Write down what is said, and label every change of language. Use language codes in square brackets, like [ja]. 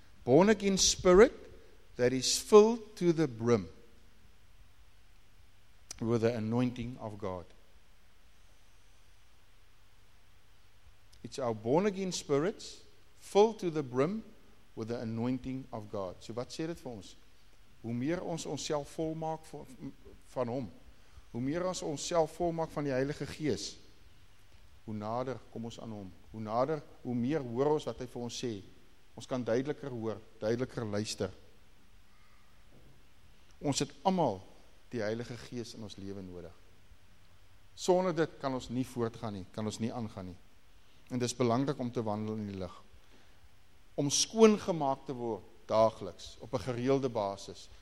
[en] Born again spirit that is filled to the brim with the anointing of God. It's our born again spirits filled to the brim with the anointing of God. [af] So wat sê dit vir ons? Hoe meer ons onsself volmaak van hom, hoe meer ons onsself volmaak van die Heilige Gees, hoe nader kom ons aan hom. Hoe nader, hoe meer hoor ons wat hy vir ons sê. Ons kan duideliker hoor, duideliker luister. Ons het almal die Heilige Gees in ons lewe nodig. Sonder dit kan ons nie voortgaan nie, kan ons nie aangaan nie. En dis belangrik om te wandel in die lig. Om skoon gemaak te word daagliks, op 'n gereelde basis.